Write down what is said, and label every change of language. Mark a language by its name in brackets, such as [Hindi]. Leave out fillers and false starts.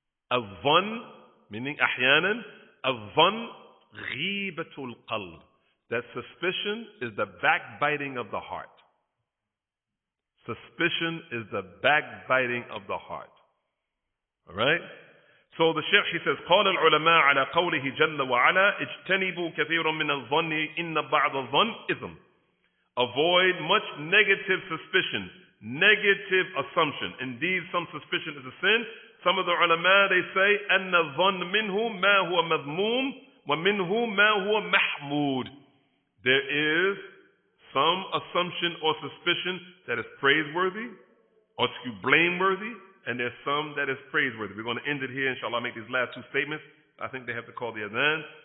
[Arabic] Al-dhan, [English] meaning [Arabic] ahyanan, al-dhan ghibatul qalb. [English] That suspicion is the backbiting of the heart. Suspicion is the backbiting of the heart. All right? So the Sheikh, he says, [Arabic] قال العلماء على قوله جل وعلا اجتنبوا كثيرا من الظن إن بعض الظن إثم. [English] Avoid much negative suspicion, negative assumption. Indeed, some suspicion is a sin. Some of the علماء, they say, [Arabic] أن الظن منه ما هو مذموم ومنه ما هو محمود. [English] There is some assumption or suspicion that is praiseworthy, or excuse, blameworthy, and there's some that is praiseworthy. We're going to end it here, inshallah, make these last two statements. I think they have to call the adhan.